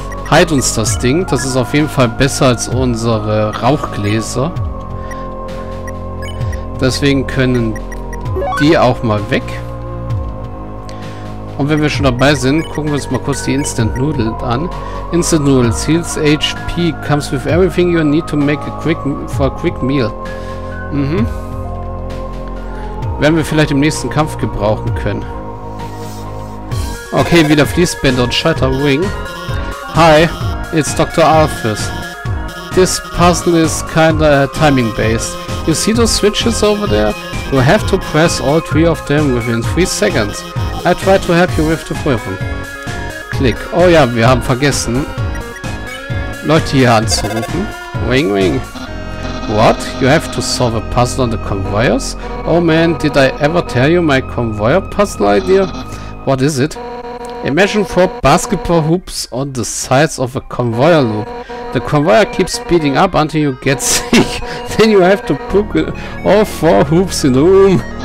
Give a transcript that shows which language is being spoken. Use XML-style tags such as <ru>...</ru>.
<de>Heilt uns das Ding. Das ist auf jeden Fall besser als unsere Rauchgläser. Deswegen können die auch mal weg. Und wenn wir schon dabei sind, gucken wir uns mal kurz die Instant Noodles an.</de> <en>Instant Noodles. Heals HP. Comes with everything you need to make a quick, for a quick meal. Mhm.</en> <de>Werden wir vielleicht im nächsten Kampf gebrauchen können. Okay, wieder Fließbänder und Schalterring.</de> <en>Hi, it's Dr. Alphys. This puzzle is kinda timing-based. You see those switches over there? You have to press all three of them within 3 seconds. I try to help you with the prüfung.</en> <de>Klick. Oh ja, wir haben vergessen, Leute hier anzurufen.</de> <en>Ring, ring. What? You have to solve a puzzle on the conveyors? Oh man, did I ever tell you my conveyor puzzle idea? What is it? Imagine 4 basketball hoops on the sides of a conveyor loop. The conveyor keeps speeding up until you get sick. Then you have to put all 4 hoops in the room.</en>